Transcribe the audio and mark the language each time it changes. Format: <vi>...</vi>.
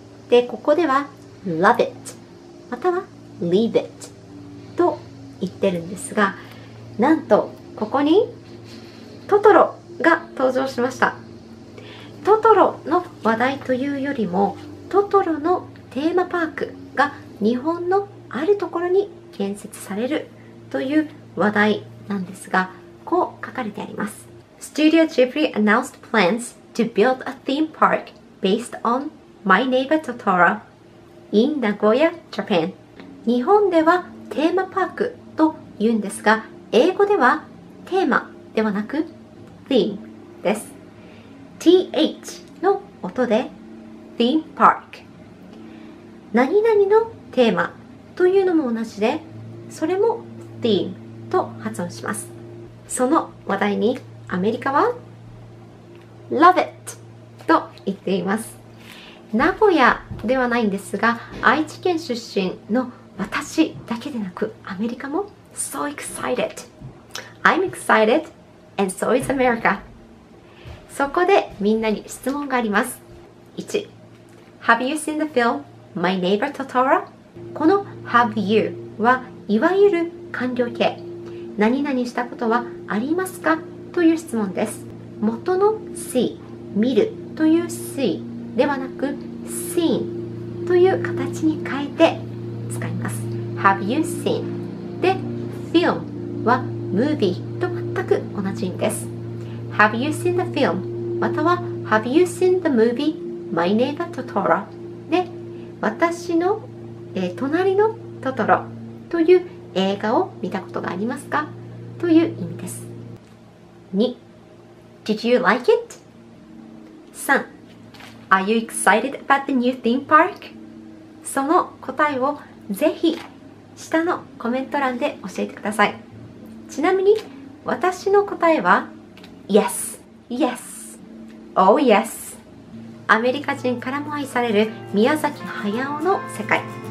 <ja>で、ここでは</ja> <en>Love it</en> <ja>または</ja> <en>Leave it</en> <ja>と言ってるんですが、なんとここにトトロが登場しました。トトロの話題というよりもトトロのテーマパークが日本のあるところに建設されるという話題なんですが、こう書かれてあります。</ja> <en>Studio Ghibli announced plans to build a theme park based on My Neighbor Totoro in Nagoya, Japan.</en> <ja>日本ではテーマパークと言うんですが、英語ではテーマではなく theme です。 TH の音で theme park。何々のテーマというのも同じで、それも theme と発音します。その話題にアメリカは</ja> <en>Love it</en> <ja>と言っています。名古屋ではないんですが、愛知県出身の私だけでなくアメリカも</ja> <en>So excited、 I'm excited and so is America。</en> <ja>そこでみんなに質問があります。 1.</ja> <en>Have you seen the film My Neighbor Totoro?</en> <ja>この</ja> <en>Have you</en> <ja>はいわゆる完了形、何々したことはありますかという質問です。元の see、 見るという see ではなく seen という形に変えて使います。</ja> <en>Have you seen</en> <ja>で、 film は movie と全く同じ意味です。</ja> <en>Have you seen the film</en> <ja>または</ja> <en>Have you seen the movie My Neighbor Totoro</en> <ja>で、私の、隣のトトロという映画を見たことがありますかという意味です。</ja> <en>2. Did you like it? 3. Are you excited about the new theme park?</en> <ja>その答えをぜひ下のコメント欄で教えてください。ちなみに私の答えは</ja> <en>Yes! Yes! Oh yes!</en> <ja>アメリカ人からも愛される宮崎駿の世界。</ja>